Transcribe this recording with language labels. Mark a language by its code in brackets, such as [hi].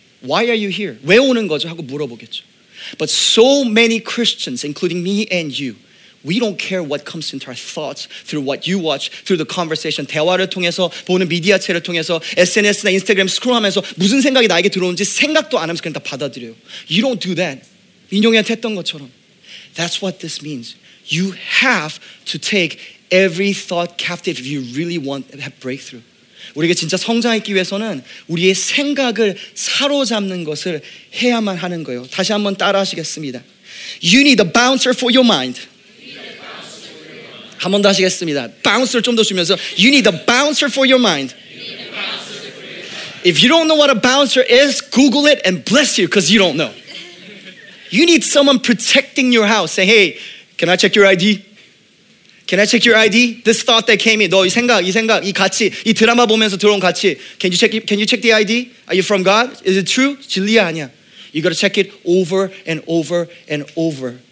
[en] Why are you here? [ko] 왜 오는 거죠? 하고 물어보겠죠. [en] But so many Christians, including me and you, we don't care what comes into our thoughts through what you watch, through the conversation, [ko] 대화를 통해서, 보는 미디어체를 통해서, SNS나 인스타그램 스크롤하면서 무슨 생각이 나에게 들어오는지 생각도 안 하면서 그냥 다 받아들여요. [en] You don't do that. [ko] 민용이한테 했던 것처럼. [en] That's what this means. You have to take every thought captive if you really want a breakthrough. [ko] 우리가 진짜 성장하기 위해서는 우리의 생각을 사로잡는 것을 해야만 하는 거예요. 다시 한번 따라하시겠습니다. [en] You need a bouncer for your mind. [ko] 한 번 더 하시겠습니다. [en] Bouncer [ko] 좀 더 주면서 [en] You need a bouncer for your mind. If you don't know what a bouncer is, Google it and bless you because you don't know. You need someone protecting your house. Say, hey, can I check your ID? Can I check your ID? This thought that came in. [ko] 너 이 생각, 이 가치, 이 드라마 보면서 들어온 가치. [en] Can you check the ID? Are you from God? Is it true? [ko] 진리야, 아니야. [en] You got to check it over and over and over.